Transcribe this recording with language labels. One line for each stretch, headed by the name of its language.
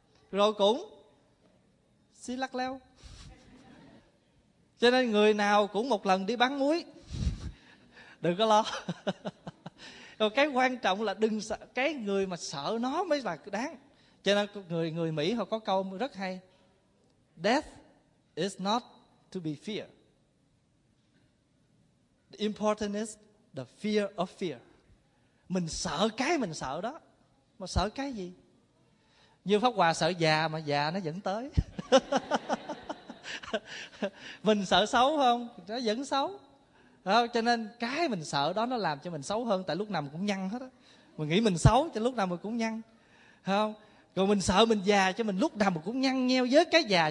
Vietnamese: Rồi cũng xí lắc leo. Cho nên người nào cũng một lần đi bán muối. Đừng có lo. Còn cái quan trọng là đừng sợ, cái người mà sợ nó mới là đáng. Cho nên người người Mỹ họ có câu rất hay.
English: Death is not to be feared. The important is the fear of fear.
Vietnamese: Mình sợ cái mình sợ đó. Mà sợ cái gì? Như Pháp Hòa sợ già mà già nó vẫn tới. Mình sợ xấu không? Nó vẫn xấu. Không? Cho nên cái mình sợ đó nó làm cho mình xấu hơn. Tại lúc nào mình cũng nhăn hết á. Mình nghĩ mình xấu cho lúc nào mình cũng nhăn. Không? Còn mình sợ mình già cho mình lúc nào mình cũng nhăn nheo với cái già.